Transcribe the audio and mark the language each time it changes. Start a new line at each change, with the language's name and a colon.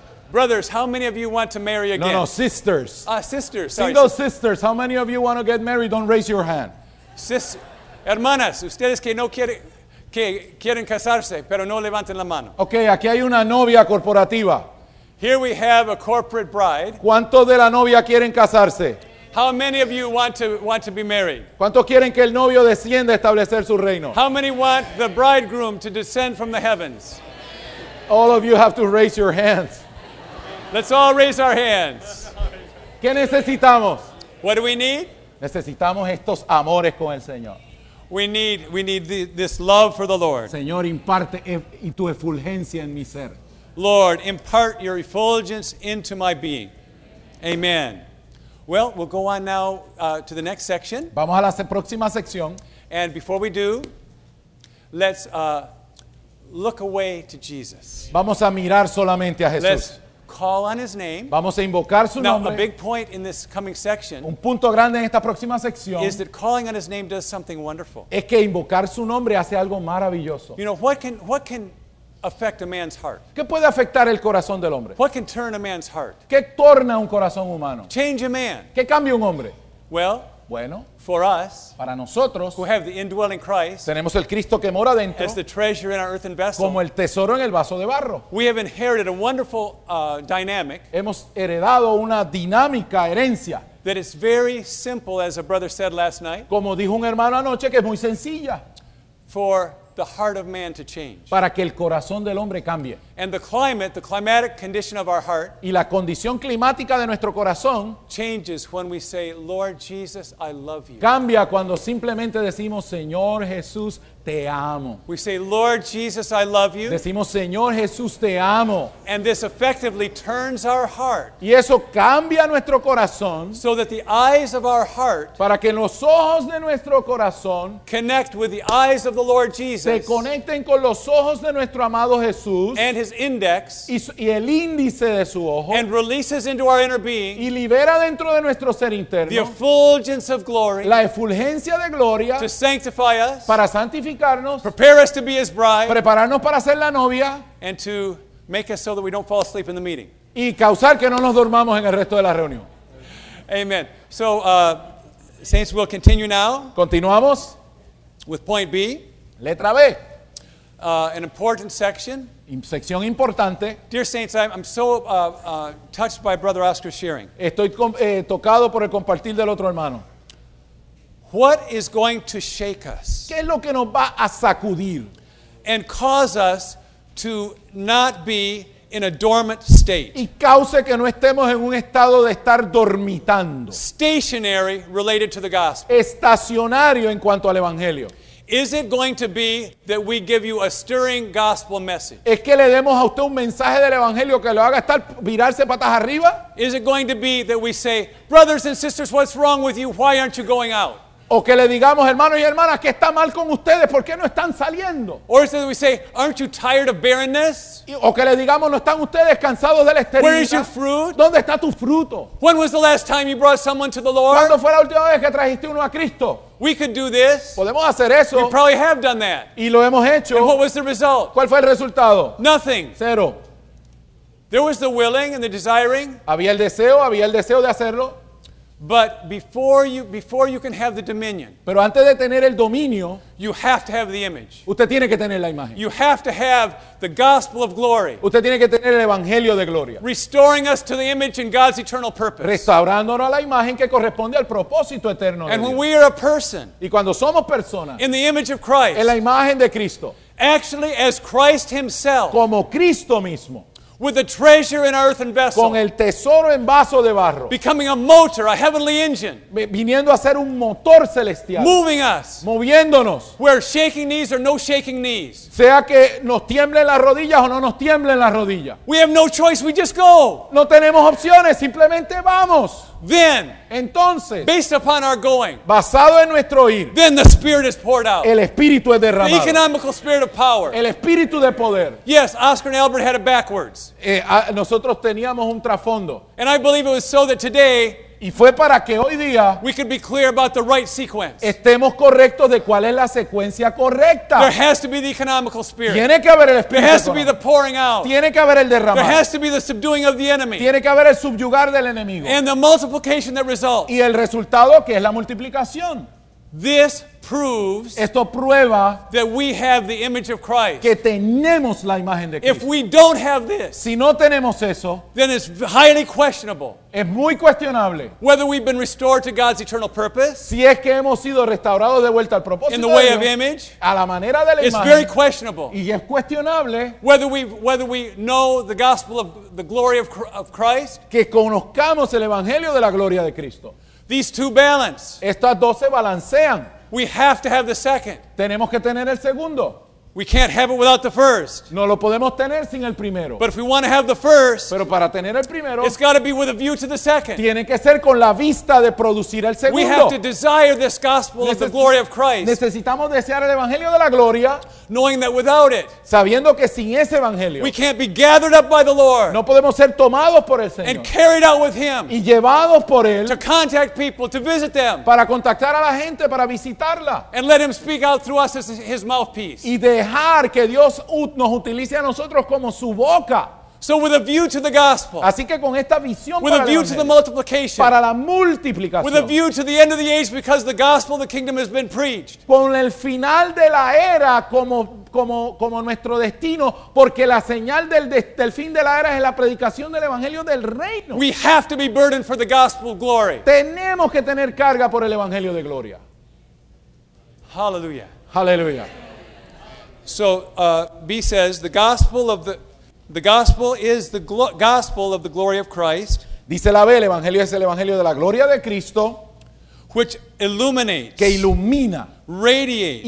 English: Brothers, how many of you want to marry again? No, sisters. Sisters. Sorry. Single sisters, how many of you want to get married? Don't raise your hand.
Spanish: Hermanas, ustedes que no quieren casarse, pero no levanten la mano. Okay, aquí hay una novia corporativa.
English: Here we have a corporate bride.
Spanish: ¿Cuántos de la novia quieren casarse?
English: How many of you want to be married?
Spanish: ¿Cuántos quieren que el novio descienda a establecer su reino?
English: How many want the bridegroom to descend from the heavens? All of you have to raise your hands. Let's all raise our hands.
Spanish: ¿Qué necesitamos?
English: What do we need?
Spanish: Necesitamos estos amores con el Señor.
English: We need this love for the Lord.
Spanish: Señor, imparte y tu efulgencia en mi ser.
English: Lord, impart your effulgence into my being. Amen. Well, we'll go on now to the next section.
Spanish: Vamos a la próxima sección.
English: And before we do, let's look away to Jesus.
Spanish: Vamos a mirar solamente a Jesús.
English: Call on his name.
Spanish: Vamos a invocar su nombre.
English: Now, a big point in this coming section.
Spanish: Un punto grande en esta próxima sección.
English: Is that calling on his name does something wonderful.
Spanish: Es que invocar su nombre hace algo maravilloso.
English: You know, what can affect a man's heart?
Spanish: ¿Qué puede afectar el corazón del hombre?
English: What can turn a man's heart?
Spanish: ¿Qué torna un corazón humano?
English: Change a man.
Spanish: ¿Qué cambia un hombre?
English: Well,
Spanish: bueno,
English: for us,
Spanish: para nosotros,
English: who have the indwelling Christ,
Spanish: tenemos el Cristo que mora dentro,
English: as the treasure in our earthen vessel,
Spanish: como el tesoro en el vaso de barro,
English: we have inherited a wonderful dynamic.
Spanish: Hemos heredado una dinámica herencia
English: that is very simple, as a brother said last night.
Spanish: Como dijo un hermano anoche, que es muy sencilla.
English: For the heart of man to change.
Spanish: Para que el corazón del hombre cambie.
English: And the climatic condition of our heart.
Spanish: Y la condición climática de nuestro corazón.
English: Changes when we say, Lord Jesus, I love you.
Spanish: Cambia cuando simplemente decimos, Señor Jesús, te amo.
English: We say, Lord Jesus, I love you.
Spanish: Decimos, Señor Jesús, te amo.
English: And this effectively turns our heart.
Spanish: Y eso cambia nuestro corazón.
English: So that the eyes of our heart.
Spanish: Para que los ojos de nuestro corazón.
English: Connect with the eyes of the Lord Jesus.
Spanish: Se conecten con los ojos de nuestro amado Jesús.
English: And his index.
Spanish: Y el índice de su ojo.
English: And releases into our inner being.
Spanish: Y libera dentro de nuestro ser interno.
English: The effulgence of glory.
Spanish: La efulgencia de gloria.
English: To sanctify us.
Spanish: Para santificarnos.
English: Prepare us to be his bride.
Spanish: Prepararnos para ser la novia.
English: And to make us so that we don't fall asleep in the meeting.
Spanish: Y causar que no nos dormamos en el resto de la reunión.
English: Amen. So, saints, we'll continue now.
Spanish: Continuamos.
English: With point B.
Spanish: Letra B.
English: An important section.
Spanish: Sección importante.
English: Dear saints, I'm so touched by Brother Oscar's sharing.
Spanish: Estoy tocado por el compartir del otro hermano.
English: What is going to shake us?
Spanish: ¿Qué es lo que nos va a sacudir?
English: And cause us to not be in a dormant state.
Spanish: Y cause que no estemos en un estado de estar dormitando.
English: Stationary related to the gospel.
Spanish: Estacionario en cuanto al evangelio.
English: Is it going to be that we give you a stirring gospel message?
Spanish: ¿Es que le demos a usted un mensaje del evangelio que lo haga estar virarse patas arriba?
English: Is it going to be that we say, brothers and sisters, what's wrong with you? Why aren't you going out?
Spanish: O que le digamos, hermanos y hermanas, ¿qué está mal con ustedes? ¿Por qué no están saliendo?
English: Or is it that we say, aren't you tired of barrenness?
Spanish: O que le digamos, ¿no están ustedes cansados de la esterilidad?
English: Where is your fruit?
Spanish: ¿Dónde está tu fruto?
English: When was the last time you brought someone to the Lord?
Spanish: ¿Cuándo fue la última vez que trajiste uno a Cristo?
English: We could do this.
Spanish: Podemos hacer eso.
English: We probably have done that.
Spanish: Y lo hemos hecho.
English: And what was the result?
Spanish: ¿Cuál fue el resultado?
English: Nothing.
Spanish: Cero.
English: There was the willing and the desiring.
Spanish: Había el deseo de hacerlo.
English: But before you can have the dominion,
Spanish: pero antes de tener el dominio,
English: you have to have the image.
Spanish: Usted tiene que tener la imagen.
English: You have to have the gospel of glory.
Spanish: Usted tiene que tener el evangelio de gloria.
English: Restoring us to the image and God's eternal purpose.
Spanish: Restaurándonos a la imagen que corresponde al propósito eterno.
English: And when we are a person,
Spanish: y cuando somos personas,
English: in the image of Christ,
Spanish: en la imagen de Cristo,
English: actually as Christ Himself,
Spanish: como Cristo mismo.
English: With a treasure in earthen vessel.
Spanish: Con el tesoro en vaso de barro.
English: Becoming a motor, a heavenly engine.
Spanish: Viniendo a ser un motor celestial.
English: Moving us.
Spanish: Moviéndonos.
English: Where shaking knees or no shaking knees.
Spanish: Sea que nos tiemblen las rodillas o no nos tiemblen las rodillas.
English: We have no choice, we just go.
Spanish: No tenemos opciones, simplemente vamos.
English: Then,
Spanish: entonces,
English: based upon our going,
Spanish: basado en nuestro ir,
English: then the Spirit is poured out.
Spanish: El Espíritu es derramado.
English: The economical spirit of power.
Spanish: El Espíritu de poder.
English: Yes, Oscar and Albert had it backwards.
Spanish: Nosotros teníamos un trasfondo.
English: And I believe it was so that today,
Spanish: y fue para que hoy día,
English: we could be clear about the right sequence.
Spanish: Estemos correctos de cuál es la secuencia correcta.
English: There has to be the economical spirit.
Spanish: Tiene que haber el Espíritu.
English: There has to be the pouring out.
Spanish: Tiene que haber el derramado.
English: There has to be the subduing of the enemy.
Spanish: Tiene que haber el subyugar del enemigo.
English: And the multiplication that results.
Spanish: Y el resultado que es la multiplicación.
English: This proves,
Spanish: esto prueba,
English: that we have the image of Christ.
Spanish: Que tenemos la imagen de Cristo.
English: If we don't have this,
Spanish: si no tenemos eso,
English: then it's highly questionable.
Spanish: Es muy cuestionable.
English: Whether we've been restored to God's eternal purpose,
Spanish: si es que hemos sido restaurados de vuelta al propósito.
English: In the way
Spanish: de Dios,
English: of image,
Spanish: a la manera de la
English: it's
Spanish: imagen.
English: It's very questionable.
Spanish: Y es cuestionable.
English: Whether we know the gospel of the glory of Christ,
Spanish: que conozcamos el evangelio de la gloria de Cristo.
English: These two balance.
Spanish: Estas dos se balancean.
English: We have to have the second.
Spanish: Tenemos que tener el segundo.
English: We can't have it without the first.
Spanish: No lo podemos tener sin el primero.
English: But if we want to have the first,
Spanish: pero para tener el primero,
English: it's got to be with a view to the second.
Spanish: Tiene que ser con la vista de producir el segundo.
English: We have to desire this gospel of the glory of Christ.
Spanish: Necesitamos desear el evangelio de la gloria,
English: knowing that without it,
Spanish: sabiendo que sin ese evangelio,
English: we can't be gathered up by the Lord.
Spanish: No podemos ser tomados por el Señor.
English: And carried out with Him.
Spanish: Y llevados por él.
English: To contact people, to visit them.
Spanish: Para contactar a la gente, para visitarla.
English: And let Him speak out through us as His mouthpiece.
Spanish: Y de dejar que Dios nos utilice a nosotros como su boca.
English: So with a view to the gospel,
Spanish: así que con esta visión
English: with
Spanish: para
English: a view
Spanish: el
English: to the multiplication,
Spanish: para la multiplicación,
English: with a view to the end of the age because the gospel of the kingdom has been preached,
Spanish: con el final de la era como nuestro destino, porque la señal del fin de la era es la predicación del evangelio del reino.
English: We have to be burdened for the gospel of glory.
Spanish: Tenemos que tener carga por el evangelio de gloria.
English: Hallelujah. Hallelujah. So B says the gospel of the glory of Christ.
Spanish: Dice la B, el evangelio es el evangelio de la gloria de Cristo,
English: which illuminates,
Spanish: que ilumina,
English: radiates,